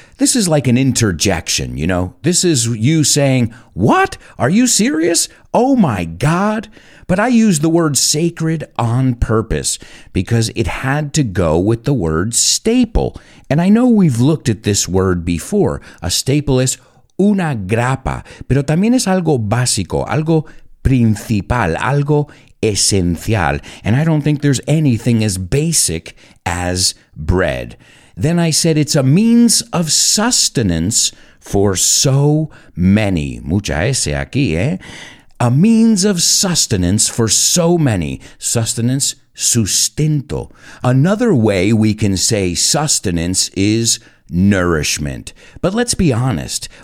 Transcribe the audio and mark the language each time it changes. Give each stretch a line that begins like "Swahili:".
English: This is like an interjection, you know? This is you saying, what? Are you serious? Oh my God. But I use the word sacred on purpose because it had to go with the word staple. And I know we've looked at this word before. A staple is
Spanish: una grapa, pero también es algo básico, algo principal, algo esencial.
English: And I don't think there's anything as basic as bread. Then I said it's a means of sustenance for so many.
Spanish: Mucha S aquí, eh?
English: A means of sustenance for so many. Sustenance, sustento. Another way we can say sustenance is nourishment. But let's be honest,